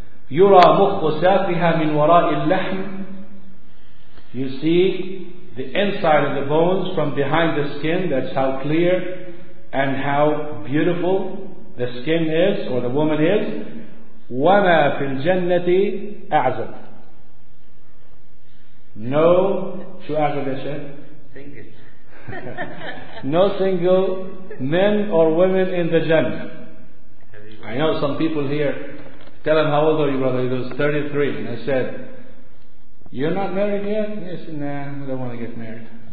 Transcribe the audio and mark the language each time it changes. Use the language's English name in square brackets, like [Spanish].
[Arabic] يُرَى مُخُّ سَافِهَا مِنْ وَرَاءِ اللَّحْمِ. [English] You see the inside of the bones from behind the skin. That's how clear and how beautiful the skin is, or the woman is. [Arabic] وَمَا فِي الْجَنَّةِ أَعْزَبْ. No, شو أعزب يا شيخ؟ [English] Single. No single men or women in the Jannah. I know some people here, tell him, how old are you, brother? He goes, 33. And I said, you're not married yet? He said, nah, I don't want to get married.